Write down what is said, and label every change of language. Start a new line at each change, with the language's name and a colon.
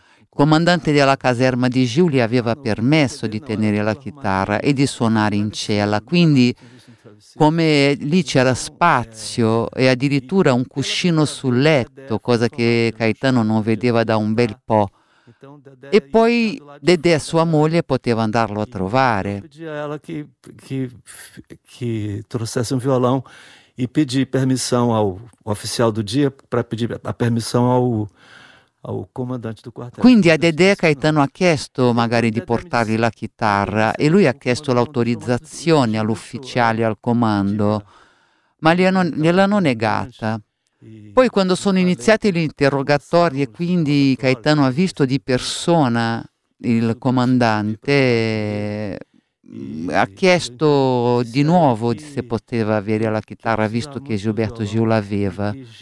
Italian: Il comandante della caserma di Gil gli aveva permesso di tenere la chitarra e di suonare in cella, quindi come lì c'era spazio e addirittura un cuscino sul letto, cosa che Caetano non vedeva da un bel po'. E poi Dedé, sua moglie, poteva andarlo a trovare.
Portuguese: Pedì a ela che trouxesse un violão e pedì permissão ao oficial do dia para pedir a permissão ao comandante do quartel.
Italian: Quindi a Dedé Caetano ha chiesto magari di portargli la chitarra e lui ha chiesto l'autorizzazione all'ufficiale, al comando, ma gliel'hanno negata. Poi quando sono iniziati gli interrogatori e quindi Caetano ha visto di persona il comandante, ha chiesto di nuovo se poteva avere la chitarra, visto che Gilberto Gil l'aveva.